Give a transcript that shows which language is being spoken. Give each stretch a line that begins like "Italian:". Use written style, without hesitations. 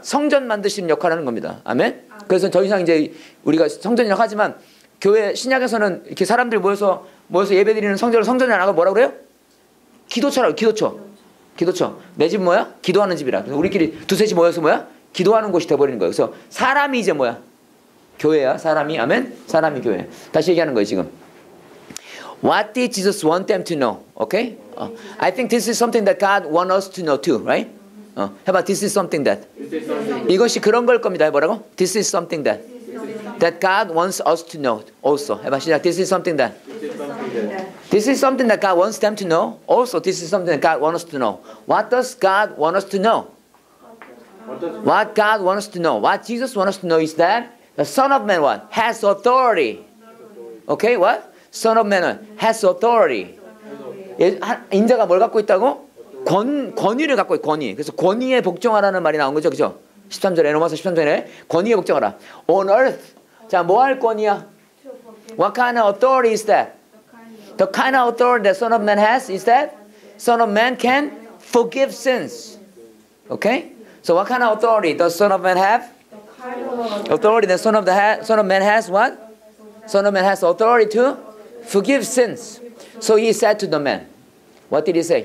Korean: 성전 만드시는 역할을 하는 겁니다. 아멘. 그래서 더 이상 이제 우리가 성전이라고 하지만 교회 신약에서는 이렇게 사람들 모여서 예배드리는 성전을 성전이 안 하고 뭐라고 그래요? 기도처라고. 기도처. 내 집 뭐야? 기도하는 집이라. 그래서 우리끼리 두세 집 모여서 뭐야? 기도하는 곳이 돼버리는 거예요. 그래서 사람이 이제 뭐야? 교회야. 사람이. 아멘. 사람이 교회. 다시 얘기하는 거예요 지금.
English: What did Jesus want them to know? Okay? I think this is something that God want us to know too. Right?
Korean: 해봐.
English: This is something that.
Korean: 이것이 그런 걸 겁니다. 해보라고.
English: This is something that. That God wants us to know also.
Korean: 해봐. 시작.
English: This is something that. This is something that God wants them to know. Also this is something that God want us to know. What does God want us to know? What God want us to know? What Jesus want us to know is that The Son of Man what? Has authority. Okay, what? Son of Man has authority.
Korean: 인자가 뭘 갖고 있다고? 권위를 갖고 있고 권위. 그래서 권위에 복종하라는 말이 나온 거죠. 그죠? 13절에 로마서 13절에 권위에 복종하라.
English: On earth.
Korean: 자, 뭐 할 권위야?
English: What kind of authority is that? The kind of authority that Son of Man has is that Son of Man can forgive sins. Okay? So what kind of authority does Son of Man have? Authority that Son of Man has what? Son of Man has authority to forgive sins. So he said to the man, what did he say?